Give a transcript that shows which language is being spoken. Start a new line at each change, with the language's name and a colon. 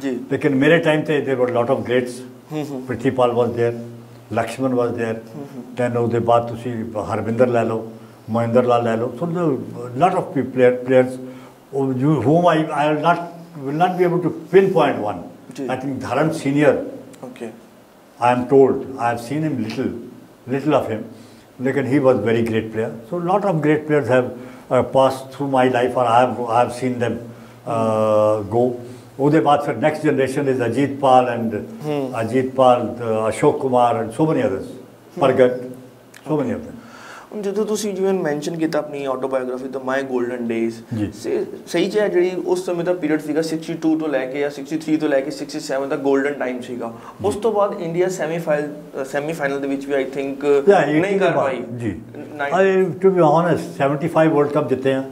Hindi: लेकिन मेरे टाइम थे
English: There were lot of greats. Pratipal was there, Laxman was there, then
Hindi: उसके बाद
English: Harvinder
Punjabi: लै लो,
English: महेंद्र लाल लै लो. So lot of players home I will not be able to pin point one. I think Dharam senior I am told, I have seen him little of him, but he was very great player. So a lot of great players have passed through my life, or I have seen them go.
Punjabi: Ude baad fir
English: next generation is Ajit Pal and Ajit Pal, Ashok Kumar and so many others, Pargat, so many of them.
Punjabi: ਜਦੋਂ ਤੁਸੀਂ ਜਿਵੇਂ mention ਕੀਤਾ ਆਪਣੀ autobiography ਤੋਂ ਮਾਈ golden days, ਸਹੀ ਚਾਹ ਜਿਹੜੀ ਉਸ ਸਮੇਂ ਦਾ ਪੀਰੀਅਡ ਸੀਗਾ 62 ਤੋਂ ਲੈ ਕੇ ਜਾਂ 63 ਤੋਂ ਲੈ ਕੇ 67 ਦਾ ਗੋਲਡਨ ਟਾਈਮ ਸੀਗਾ, ਉਸ ਤੋਂ ਬਾਅਦ ਇੰਡੀਆ ਸੈਮੀਫਾਈਨਲ ਦੇ ਵਿੱਚ ਵੀ
English: I think
Punjabi: ਨਹੀਂ ਕਰ ਪਾਈ ਜੀ,
English: to be honest
Punjabi: 75 world cup ਜਿੱਤੇ ਹਾਂ